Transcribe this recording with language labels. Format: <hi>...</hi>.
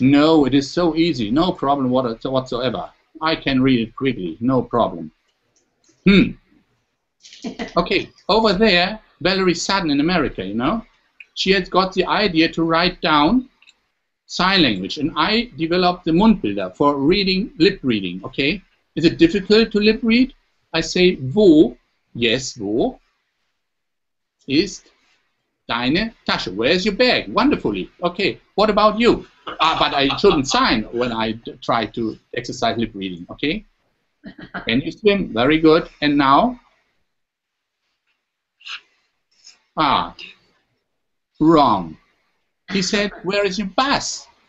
<en>No, it is so easy. No problem whatsoever. I can read it quickly. No problem. Okay, over there, Valerie Sutton in America, you know, she had got the idea to write down sign language. And I developed the Mundbilder for reading, lip reading, okay? Is it difficult to lip read? I say,</en> <de>wo,</de> <en>yes,</en> <de>wo, ist deine Tasche?</de> <en>Where's your bag? Wonderfully. Okay, what about you? But I shouldn't sign when I try to exercise lip reading, okay? Can you swim? Very good. And now? Ah, wrong. He said, where is your bus?</en>